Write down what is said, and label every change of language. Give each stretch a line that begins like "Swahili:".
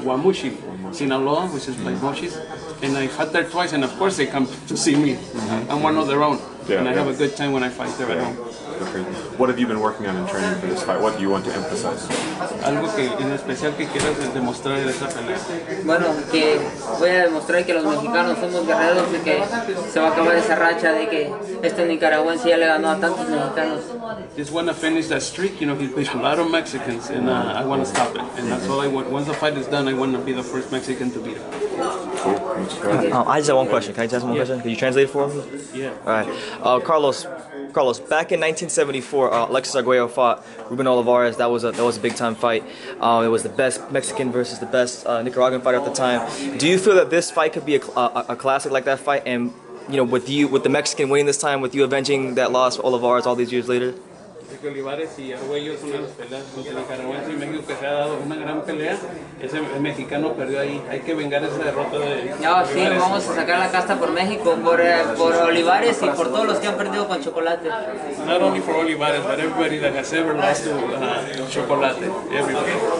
English: Guamuchil, Sinaloa, which is like Moches. And I fought there twice, and of course they come to see me. Mm-hmm. I'm one of their own, I have a good time when I fight there at home. Okay. What have you been working on in training for this fight? What do you want to emphasize?
Spanish: Algo que en especial que quieras demostrar en esta pelea. Bueno, que voy a demostrar que los mexicanos somos guerreros y que se va a acabar esa racha de que este nicaragüense ya le ganó a tantos mexicanos.
English: Just want to finish that streak. You know, he beat a lot of Mexicans, and I want to stop it. And that's all I want. Once the fight is done, I want to be the first Mexican to beat him. Cool. Okay. I just have one question. Can I just ask one question? Can you translate it for me? Yeah. All right. Carlos, back in 1974, Alexis Arguello fought Ruben Olivares. That was a big time fight. It was the best Mexican versus the best Nicaraguan fighter at the time. Do you feel that this fight could be a classic like that fight? And you know, with the Mexican winning this time, with you avenging that loss, Olivares, all these years later.
Spanish: Olivares y Arguello es una de las peleas contra Nicaragüense y México que se ha dado una gran pelea. Ese mexicano perdió ahí. Hay que vengar esa derrota de Olivares. Sí, vamos a sacar la casta por México, por Olivares y por todos los que han perdido con Chocolate.
English: Not only for Olivares, but everybody that has ever lost to Chocolate. Everybody.